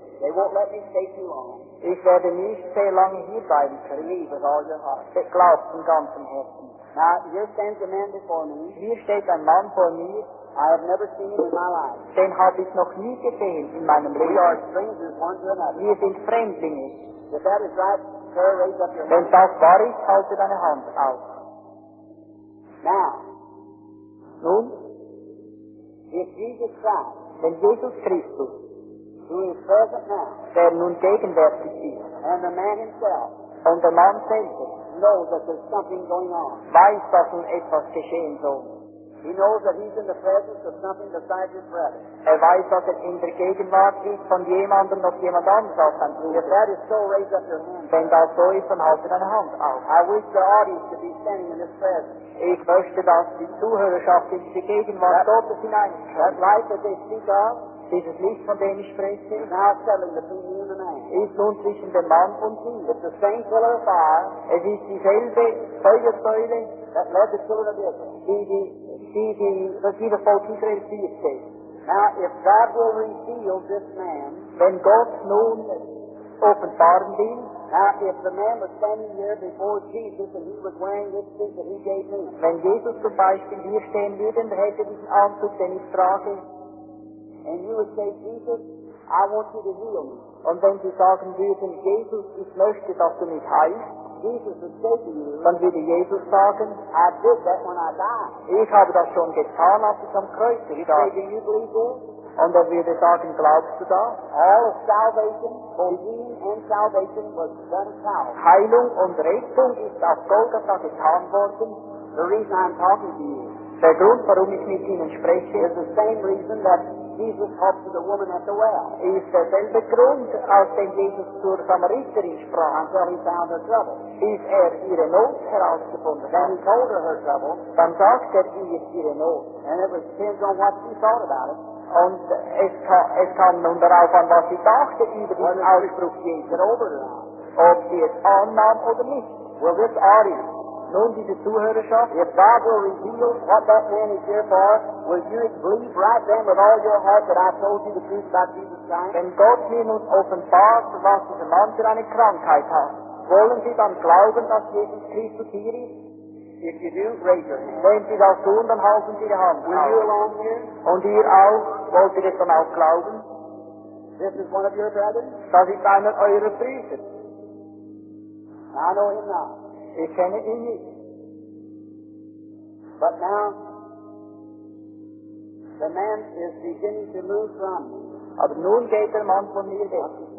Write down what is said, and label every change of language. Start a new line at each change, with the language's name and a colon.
English: They won't let me stay too long.
German: Ich werde nicht sehr lange hier bleiben können.
English: Believe with all your heart.
German: Ich glaube von ganzem Herzen.
English: Now, here stands a man before me.
German: Hier steht ein Mann vor mir.
English: I have never seen him in my life.
German: Den habe ich noch nie gesehen in meinem Leben.
English: We are strangers one to another.
German: Wir sind Fremdlinge.
English: If that is right, sir, raise up your hand.
German: Wenn das wahr ist, halte deine Hand auf.
English: Now.
German: Nun?
English: If Jesus Christ,
German: wenn Jesus Christus,
English: who is present now,
German: der nun gegenwärtig ist,
English: and the man himself,
German: und der Mann selbst,
English: knows that there's something going on,
German: weiß, dass nun etwas geschehen soll.
English: He knows that he's in the presence of something besides his brother.
German: Er weiß, dass er in der Gegenwart ist von jemandem, noch jemand anderes als sein Bruder.
English: If that is so, raise up your hand.
German: Wenn das so ist, dann halte deine Hand auf.
English: I wish the audience to be standing in this presence.
German: Ich möchte, dass die Zuhörerschaft in die Gegenwart Gottes hineinkommt.
English: That light that they speak of,
German: dieses Licht, von dem ich spreche,
English: now settling between you and the man,
German: ist nun zwischen dem Mann und ihm.
English: It's the same pillar of fire,
German: es ist dieselbe Feuersäule,
English: that led the children of Israel,
German: die das Volk Israel führte.
English: Now, if God will reveal this man,
German: wenn Gott nun offenbaren will,
English: now, if the man was standing here before Jesus and he was wearing this suit that he gave me,
German: wenn Jesus zum Beispiel hier stehen würde und hätte diesen Anzug, den ich trage,
English: and you would say, Jesus, I want you to heal me.
German: Und wenn Sie sagen würden, Jesus, ich möchte, dass du mich heilst,
English: Jesus would say to you,
German: dann würde Jesus sagen,
English: I did that when I died.
German: Ich habe das schon getan, als ich am Kreuz gestorben
English: bin. Do you believe this?
German: Und ob wir das auch im Glauben zu tun?
English: All of salvation, redeem and salvation was done at Calvary.
German: Heilung und Rettung ist auf Golgatha getan worden.
English: The reason I'm talking to you.
German: Der Grund, warum ich mit Ihnen spreche,
English: is the same reason that Jesus talked to the woman at the well.
German: Ist derselbe Grund, aus dem Jesus zur Samariterin sprach.
English: Until he found her trouble.
German: Ist ihre Not herausgefunden.
English: Then he told her trouble.
German: Dann sagte ihre Not.
English: And it was depends on what she thought about it.
German: Und es kam nun darauf an, was sie dachte über diesen Ausdruck Jesu. Ob sie es annahm oder nicht.
English: Well, this audience.
German: Nun, diese Zuhörerschaft.
English: If God will reveal what that man is here for, will you believe right then with all your heart that I told you the truth about Jesus Christ?
German: Wenn Gott mir nun offenbart, was dieser Mann für eine Krankheit hat, wollen Sie dann glauben, dass Jesus Christus hier ist?
English: If you do, raise your hand.
German: Wenn Sie das tun, dann halten Sie die Hand.
English: Will you along here?
German: Und ihr auch? Wollt ihr es dann auch glauben?
English: This is one of your brothers?
German: Das ist einer eurer Brüder.
English: I know him now.
German: Ich kenne ihn nicht.
English: But now, the man is beginning to move from me.
German: Aber nun geht der Mann von mir weg.